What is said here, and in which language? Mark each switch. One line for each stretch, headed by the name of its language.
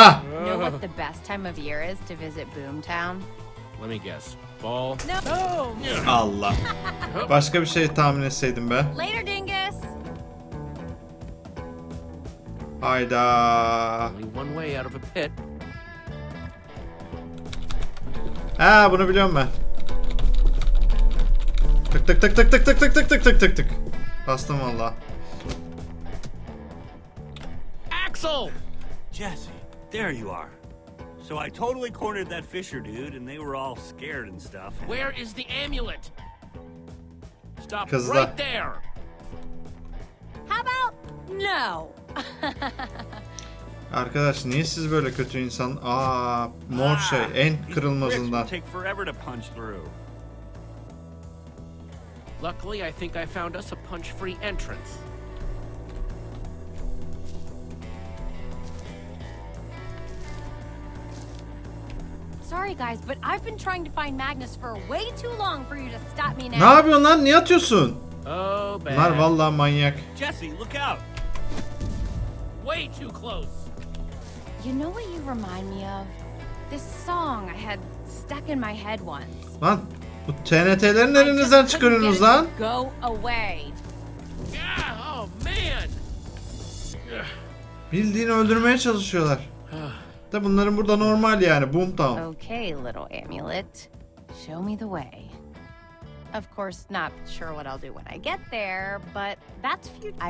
English: You know what the best time of year is to visit Boomtown? Let me guess. Fall? No!
Turkish: Allah! Başka bir şey tahmin etseydim be.
English: Later, dingus!
Turkish: Hayda!
English: Only one way out of a pit.
Turkish: Ha, bunu biliyorum ben. Tık tık tık tık tık tık tık tık tık tık tık tık. Bastım valla.
English: Axel! Jesse! There you are. So I totally cornered that Fisher dude and they were all scared and stuff. Where is the amulet? Stop right there. How about no?
Turkish: Arkadaş niye siz böyle kötü insan? Aa, mor şey en kırılmazından.
English: Take forever to punch through. Luckily I think I found us a punch-free entrance. Sorry guys, but I've been trying to find Magnus for way too long for you to stop me now.
Turkish: Ne yapıyorsun lan? Niye atıyorsun?
English: Oh bad.
Turkish: Bunlar vallahi manyak.
English: Jesse, look out. Way too close. You know what you remind me of? This song I had stuck in my head once.
Turkish: Lan, bu TNT'lerin elinizden çıkarıyorsunuz lan?
English: Go away. Yeah, oh man.
Turkish: Bildiğini öldürmeye çalışıyorlar. De bunların burada normal yani Boomtown.
English: Okay, little amulet. Show me the way. Of course, not sure what I'll do when I get there, but that's future.